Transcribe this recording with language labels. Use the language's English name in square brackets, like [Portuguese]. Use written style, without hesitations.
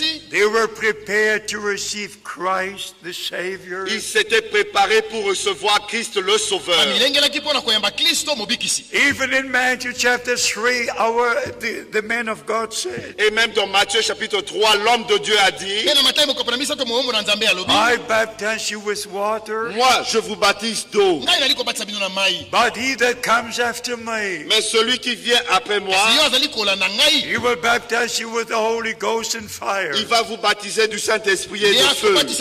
[English] They were prepared to receive Christ the Savior. [French] Ils s'étaient préparés pour recevoir Christ le Sauveur. [English] Even in Matthew chapter 3, the men of God said, [French] et même dans Matthieu chapitre 3, l'homme de Dieu a dit, [English] I baptize you with water. [French] Moi, je vous baptise d'eau. [English] But he that comes after me, [French] mais celui qui vient après moi, [English] he will baptize you with the Holy Ghost and fire. [French] Il va vous baptiser du Saint-Esprit et de feu.